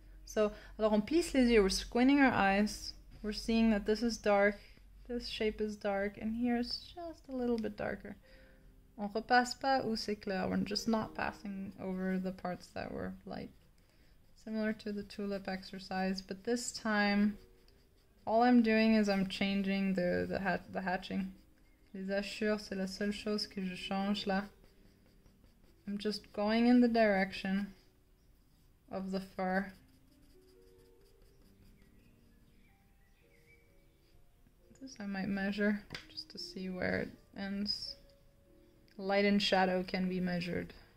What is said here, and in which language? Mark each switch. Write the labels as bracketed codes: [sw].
[en] So, [fr] alors on plisse les yeux, [en] we're squinting our eyes, we're seeing that this is dark, this shape is dark, and here it's just a little bit darker. [fr] On repasse pas où c'est clair, [en] we're just not passing over the parts that were light. Similar to the tulip exercise, but this time, all I'm doing is I'm changing the hatching. [fr] Les hachures, c'est la seule chose que je change là. [en] I'm just going in the direction of the fur. I might measure just to see where it ends. Light and shadow can be measured.